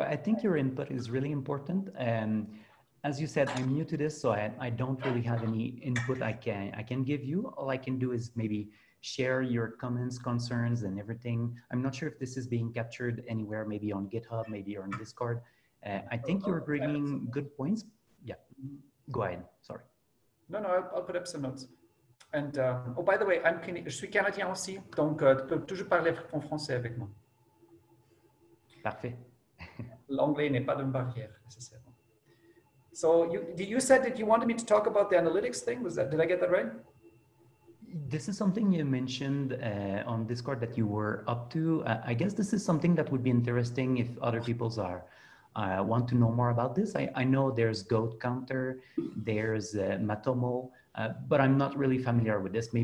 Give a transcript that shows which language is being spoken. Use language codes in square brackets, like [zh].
[en] I think your input is really important. As you said, I'm new to this, so I don't really have any input I can give you. All I can do is maybe share your comments, concerns, and everything. I'm not sure if this is being captured anywhere, maybe on GitHub, maybe on Discord. I think you're bringing good points. Yeah, go ahead, sorry. No, I'll put up some notes. And, by the way, I'm Canadian [fr] aussi, donc tu peux toujours parler en français avec moi. Parfait. L'anglais n'est pas une barrière, nécessairement. [en] So you said that you wanted me to talk about the analytics thing. Did I get that right? This is something you mentioned on Discord that you were up to. I guess this is something that would be interesting if other people want to know more about this. I know there's Goat Counter, there's Matomo, but I'm not really familiar with this.